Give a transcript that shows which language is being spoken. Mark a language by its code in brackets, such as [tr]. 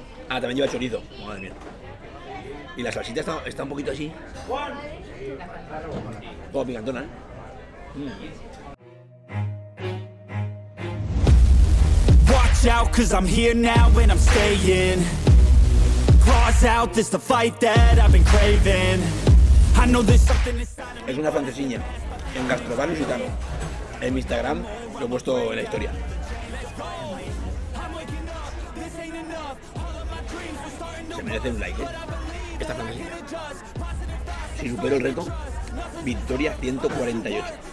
[es] Ah, también lleva chorizo, madre mía. Y la salsita está un poquito así, un poco picantona, ¿eh? [en] Out, 'cause I'm here now and I'm staying. Claws out, this the fight that I've been craving. I know there's something inside of me. [es] Es una francesiña en Gastrobar Lusitano. En mi Instagram lo he puesto en la historia. Se merece un like, ¿eh? Esta francesiña. Si supero el reto, victoria 148.